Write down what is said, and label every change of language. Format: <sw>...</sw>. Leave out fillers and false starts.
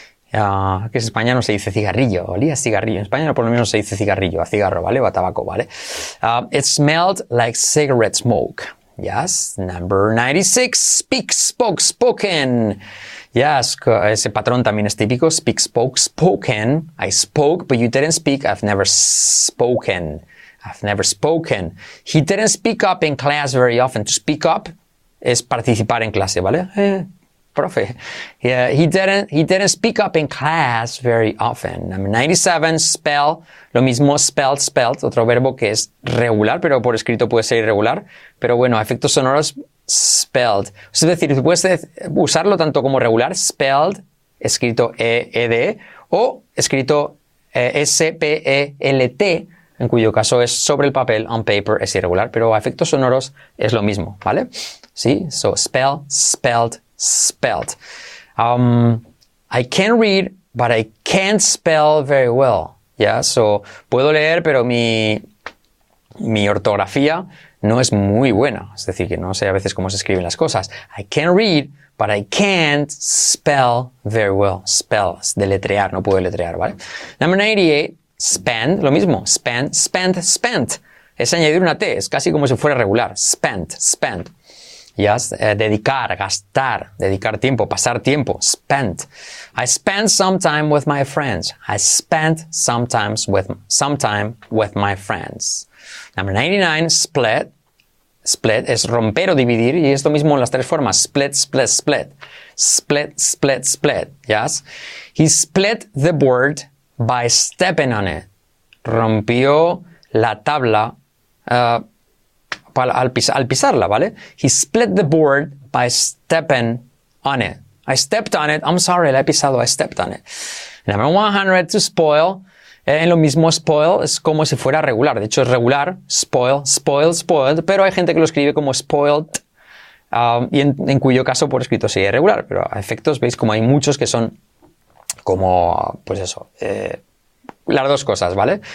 <es>Que en España no se dice cigarrillo. Olía a cigarrillo. En España por lo menos se dice cigarrillo, a cigarro, ¿vale? O a tabaco, ¿vale?</es> <en>It smelled like cigarette smoke. Yes, number 96, speak, spoke, spoken.</en> <es>Yes, ese patrón también es típico, speak, spoke, spoken.</es> <en>I spoke, but you didn't speak, I've never spoken. I've never spoken. He didn't speak up in class very often.</en> <es>To speak up es participar en clase, ¿vale?</es> <en>Profe. Yeah, he didn't speak up in class very often. Number 97, spell.</en> <es>Lo mismo,</es> <en>spelled.</en> <es>Otro verbo que es regular, pero por escrito puede ser irregular. Pero bueno, efectos sonoros, spelled. Es decir, puedes usarlo tanto como regular, spelled, escrito E-E-D, o escrito S-P-E-L-T, en cuyo caso es sobre el papel,</es> <en>on paper,</en> <es>es irregular. Pero a efectos sonoros es lo mismo, ¿vale?</es> <en>Sí, so spell, spelled, spelled. I can read, but I can't spell very well.</en> <es>Ya, yeah, so puedo leer, pero mi ortografía no es muy buena. Es decir, que no sé a veces cómo se escriben las cosas.</es> <en>I can read, but I can't spell very well.</en> <es>Spell, deletrear, no puedo deletrear, ¿vale?</es> <en>Number 98. Spend,</en> <es>lo mismo,</es> <en>spend, spend, spent.</en> <es>Es añadir una T, es casi como si fuera regular. Spend, spend. Yes, dedicar, gastar, dedicar tiempo, pasar tiempo. Spend.</es> <en>I spent some time with my friends. I spent some time with my friends. Number 99, split.</en> <es>Split es romper o dividir y es lo mismo en las tres formas.</es> <en>Split, split, split. Split, split, split. Yes. He split the board by stepping on it.</en> <es>Rompió la tabla al pisarla, ¿vale?</es> <en>He split the board by stepping on it. I stepped on it. I'm sorry,</en> <es>la he pisado.</es> <en>I stepped on it. Number 100, to spoil.</en> <es>En lo mismo, spoil es como si fuera regular. De hecho, es regular. Spoil, spoil, spoiled. Pero hay gente que lo escribe como spoiled. Y en cuyo caso, por escrito, sería irregular. Pero a efectos, veis como hay muchos que son como, pues eso, las dos cosas, ¿vale?</es>